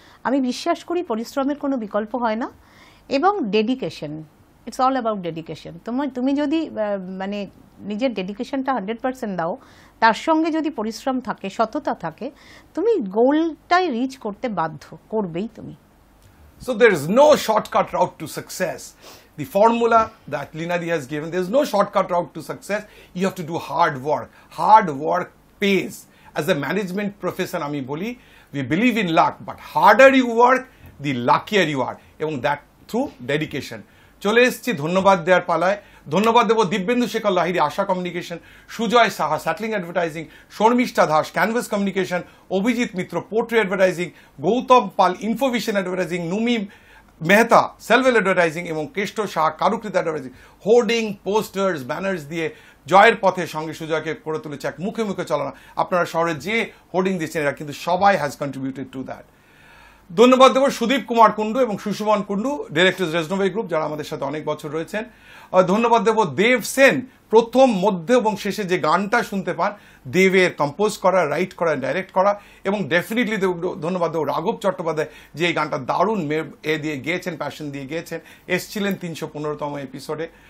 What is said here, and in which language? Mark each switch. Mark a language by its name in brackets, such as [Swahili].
[Bangla] আমি বিশ্বাস করি পরিশ্রমের কোনো বিকল্প হয় না, এবং dedication, [English] It's all about dedication. [Bangla] তুমি যদি মানে নিজের ডেডিকেশনটা 100% দাও, তার সঙ্গে যদি পরিশ্রম থাকে, সততা থাকে, তুমি গোলটাই রিচ করতে বাধ্য, করবেই তুমি। [English] So there is no shortcut route to success, the formula that Leenadi has given, there is no shortcut route to success. You have to do hard work. Hard work pays. As a management professor, [Bangla] ami boli, [English] we believe in luck, but harder you work, the luckier you are, even that through dedication. [Bangla] Chole eschi dhonnobad deyar palay, dhonnobad debo Dibbendu Shekhar Lahiri, Asha Communication, Sujoy Saha, Settling Advertising, Shormishta Dhash, Canvas Communication, Obhijit Mitra, Portrait Advertising, Gautam Pal, Infovision Advertising, Numi Mehta সেলভেল advertising, এবং Krishna Shah কারুকৃত advertising, hoarding posters banners দিয়ে জয়ের পথে সঙ্গে সুজয়কে করে তুলেছে এক মুখে মুখে চলানো। আপনারা শহরে যে হোর্ডিং দিচ্ছেন, এরা কিন্তু সবাই [English] Has contributed to that. [Bangla] ধন্যবাদ দেবো সুদীপ কুমার কুণ্ডু এবং সুশুভন কুণ্ডু, ডিরেক্টর রেজনোভাই গ্রুপ, যারা আমাদের সাথে অনেক বছর রয়েছেন। ধন্যবাদ দেবো দেব সেন, প্রথম, মধ্যে এবং শেষে যে গানটা শুনতে পান, দেবের কম্পোজ করা, রাইট করা, ডাইরেক্ট করা, এবং ডেফিনেটলি ধন্যবাদ দেবো রাঘব চট্টোপাধ্যায় যে এই গানটা দারুণ এ দিয়ে গিয়েছেন, প্যাশন দিয়ে গিয়েছেন, এসেছিলেন 315 এপিসোডে।